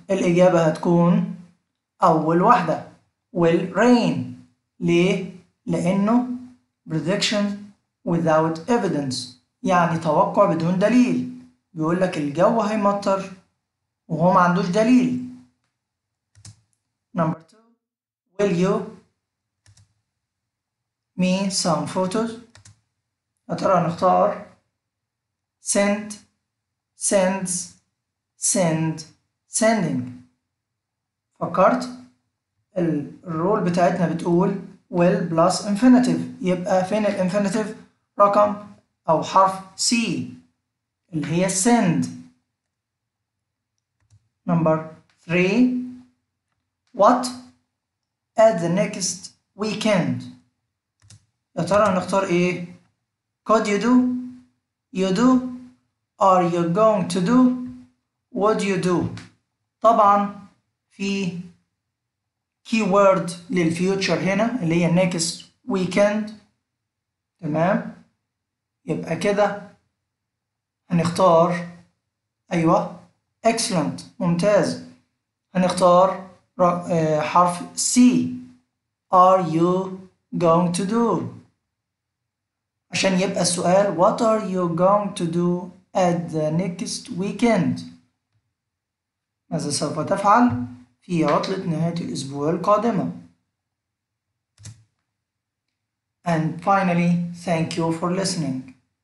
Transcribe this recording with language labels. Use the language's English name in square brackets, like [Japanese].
[Arabic] الإجابة هتكون أول واحدة [English] will rain. [Arabic] ليه؟ لأنه [English] prediction without evidence [Arabic] يعني توقع بدون دليل، بيقول لك الجو هيمطر وهو ما عندوش دليل. [English] Number two, will you me some photos؟ [Arabic] يا ترى نختار [English] send, sends, send, sending. [Arabic] فكرت؟ الرول بتاعتنا بتقول [English] will plus infinitive، [Arabic] يبقى فين الانفينيتيف؟ رقم أو حرف C اللي هي send. [English] Number three, what at the next weekend؟ [Arabic] يا ترى نختار إيه؟ [English] could you do؟ you do؟ are you going to do؟ would you do؟ [Arabic] طبعا في [English] keyword للfuture [Arabic] هنا اللي هي [English] next weekend. [Arabic] تمام، يبقى كده هنختار، أيوة excellent ممتاز، هنختار حرف C [English] are you going to do [Arabic] عشان يبقى السؤال [English] what are you going to do at the next weekend، [Arabic] ماذا سوف تفعل في عطلة نهاية الأسبوع القادمة. [English] And finally, thank you for listening.